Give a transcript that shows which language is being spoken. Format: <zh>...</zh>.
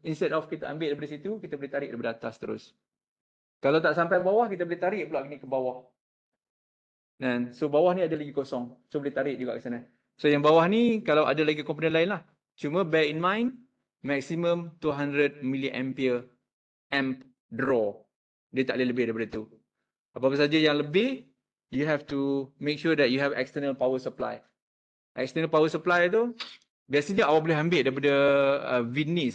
<en>Instead of</en> <ms>kita ambil daripada situ, kita boleh tarik daripada atas terus. Kalau tak sampai bawah, kita boleh tarik pula ni ke bawah. Dan so bawah ni ada lagi kosong. So boleh tarik juga ke sana. So yang bawah ni, kalau ada lagi komponen lain lah.</ms> <en>Cuma bear in mind, maximum 200 milliampere amp draw.</en> <ms>Dia tak boleh lebih daripada tu. Apa-apa saja yang lebih,</ms> <en>you have to make sure that you have external power supply.</en> <ms>External power supply tu, biasanya awak boleh ambil daripada VIN ni.</ms>